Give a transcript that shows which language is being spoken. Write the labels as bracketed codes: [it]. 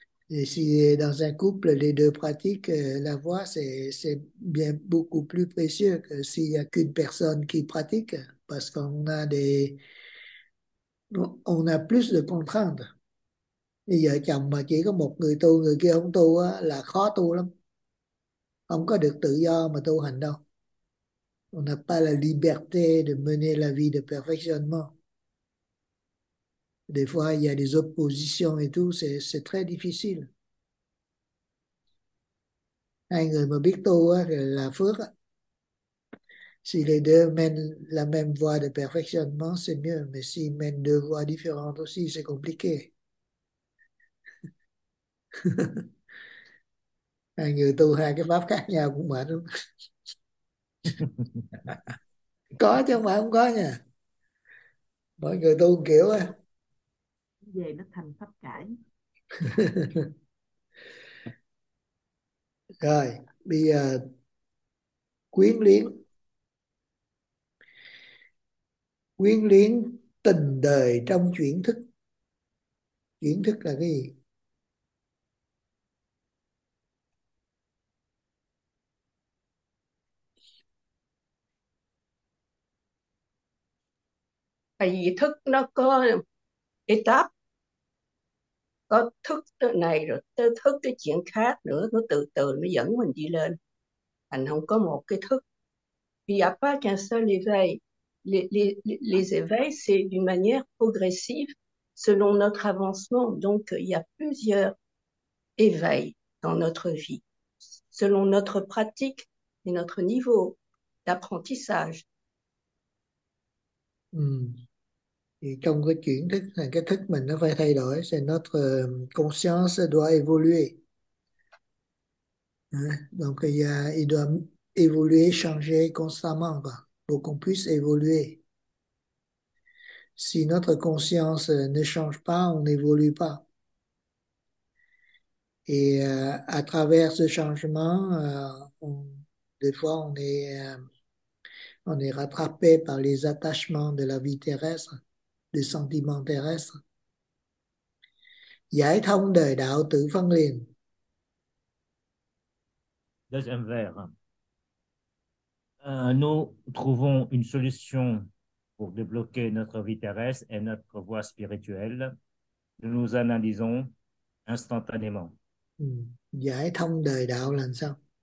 [fr] Et si dans un couple, les deux pratiquent, la voix, c'est bien beaucoup plus précieux que s'il n'y a qu'une personne qui pratique, parce on a plus de contraintes. [vi] Bây giờ chồng mà chỉ có một người tu, người kia không tu á, là khó tu lắm. Không có được tự do mà tu hành đâu. [fr] On n'a pas la liberté de mener la vie de perfectionnement. Des fois, il y a des oppositions et tout, c'est très difficile. [vi] Hai người mà biết tu á, là phước á. [fr] Si les deux mènent la même voie de perfectionnement, c'est mieux. Mais s'ils mènent deux voies différentes aussi, c'est compliqué. [vi] Hai người tu hai cái pháp khác nhau cũng mệt lắm. Có chứ mà không có nha. Mọi người tu kiểu á. Về nó thành pháp cả. Rồi, bây giờ quyến luyến. Quyến luyến tình đời trong chuyển thức. Chuyển thức là cái gì? Tại vì thức nó có etap, có thức này rồi tới thức cái chuyện khác nữa, nó từ từ nó dẫn mình đi lên, thành không có một cái thức. [fr] Il n'y a pas qu'un seul éveil. Les éveils, c'est d'une manière progressive selon notre avancement. Donc, il y a plusieurs éveils dans notre vie, selon notre pratique et notre niveau d'apprentissage. [vi] Ừ. Thì trong cái chuyển thức là cái thức mình nó phải thay đổi, [fr] c'est notre conscience doit évoluer. Donc il doit évoluer, changer constamment quoi, pour qu'on puisse évoluer. Si notre conscience ne change pas, on n'évolue pas. Et à travers ce changement, des fois on est rattrapé par les attachements de la vie terrestre, des sentiments terrestres. [vi] Giải thông đời đạo tự phân liền. [fr] Deuxième vers. Nous trouvons une solution pour débloquer notre vie terrestre et notre voie spirituelle. Nous analysons instantanément. [vi] Giải thông đời đạo là sao?